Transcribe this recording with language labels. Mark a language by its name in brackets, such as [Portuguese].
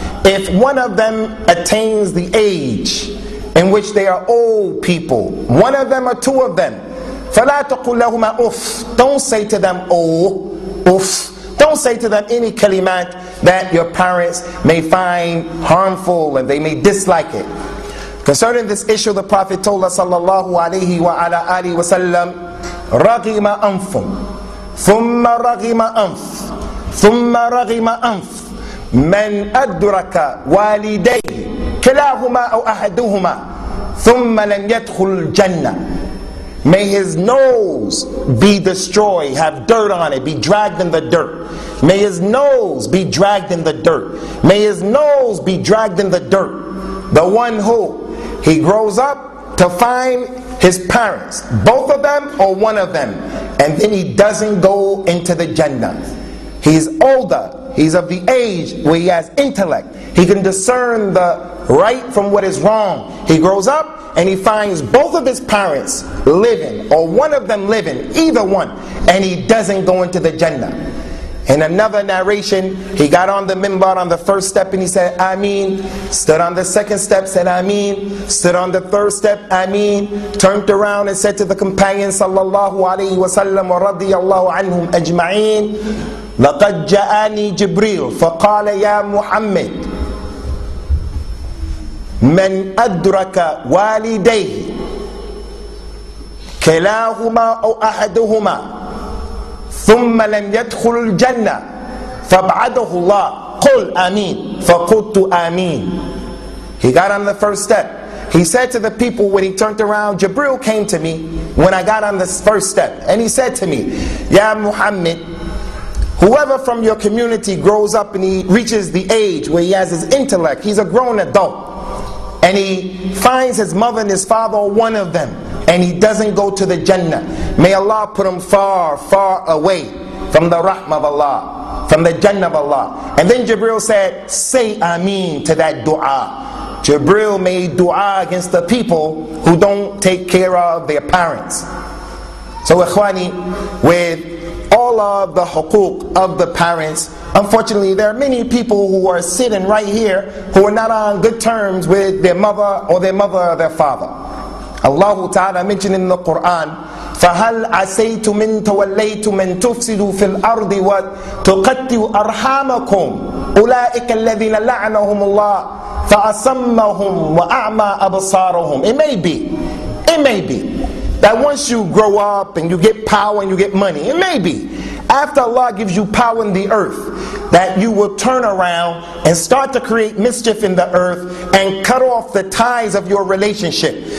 [English] If one of them attains the age in which they are old people, one of them or two of them, فَلَا تَقُلْ لَهُمَا أُفْ. Don't say to them, oh, uff. Don't say to them any kalimat that your parents may find harmful and they may dislike it. [Arabic] Concerning this issue, the Prophet told us, sallallahu alayhi wa ala alihi wa sallam, رَغِمَ أَنْفٌ ثُمَّ رَغِمَ أَنْفٌ ثُمَّ رَغِمَ أَنْفٌ مَنْ أَدْرَكَ وَالِدَيْهِ كِلَاهُمَا أَوْ أَحَدُهُمَا ثُمَّ لَنْ يَدْخُلْ جَنَّةِ. [English] May his nose be destroyed, have dirt on it, be dragged in the dirt. May his nose be dragged in the dirt. May his nose be dragged in the dirt. The one who he grows up to find his parents, both of them or one of them, and then he doesn't go into the Jannah. He's older, he's of the age where he has intellect. He can discern the right from what is wrong. He grows up and he finds both of his parents living, or one of them living, either one, and he doesn't go into the Jannah. In another narration, he got on the minbar on the first step and he said, Ameen. Stood on the second step, said, Ameen. Stood on the third step, Ameen. [Arabic] Turned around and said to the companion, sallallahu alayhi wa sallam, wa radiyallahu anhum ajma'een, لَقَدْ جَآنِي جِبْرِيلُ فَقَالَ يَا مُحَمَّدُ مَنْ أَدْرَكَ وَالِدَيْهِ كِلَاهُمَا أَوْ أَحَدُهُمَا ثُمَّ لَمْ يَدْخُلُ الْجَنَّةِ فَبْعَدَهُ اللَّهُ قُلْ آمِينَ فَقُلْتُ آمِينَ. [English] He got on the first step. He said to the people when he turned around, Jibril came to me when I got on this first step. And he said to me, Ya Muhammad, whoever from your community grows up and he reaches the age where he has his intellect, he's a grown adult, and he finds his mother and his father, one of them, and he doesn't go to the Jannah, may Allah put him far, far away from the rahmah of Allah, from the Jannah of Allah. And then Jibril said, say Ameen to that dua. Jibril made dua against the people who don't take care of their parents. So ikhwani, with all of the huquq of the parents, unfortunately there are many people who are sitting right here who are not on good terms with their mother or their mother or their father. [Arabic] Allah Ta'ala mentioned in the Quran, فَهَلْ عَسَيْتُ مِنْ تَوَلَّيْتُ مَنْ تُفْسِدُ فِي الْأَرْضِ وَتُقَتِّوا أَرْحَامَكُمْ أُولَٰئِكَ الَّذِينَ لَعْنَهُمُ اللَّهُ فَأَصَمَّهُمْ وَأَعْمَى أَبْصَارُهُمْ. [English] It may be that once you grow up and you get power and you get money, it may be, after Allah gives you power in the earth, that you will turn around and start to create mischief in the earth and cut off the ties of your relationship.